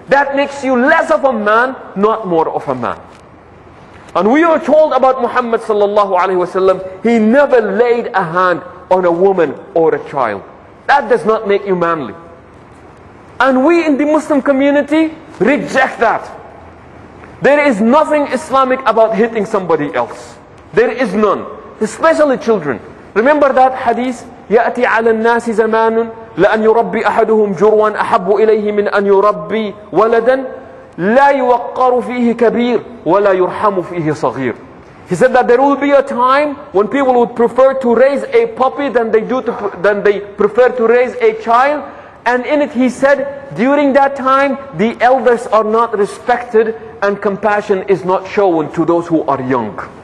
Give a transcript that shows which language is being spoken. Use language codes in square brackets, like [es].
[en] That makes you less of a man, not more of a man. And we are told about Muhammad sallallahu alaihi wasallam, he never laid a hand on a woman or a child. That does not make you manly. And we in the Muslim community reject that. There is nothing Islamic about hitting somebody else. There is none, especially children. Remember that hadith, [ar] يأتي على الناس زمان لأن يربي أحدهم جروا أحب إليه من أن يربي ولدا لا يوقر فيه كبير ولا يرحم فيه صغير. [en] He said that there will be a time when people would prefer to raise a puppy than they prefer to raise a child. And in it he said, during that time, the elders are not respected and compassion is not shown to those who are young.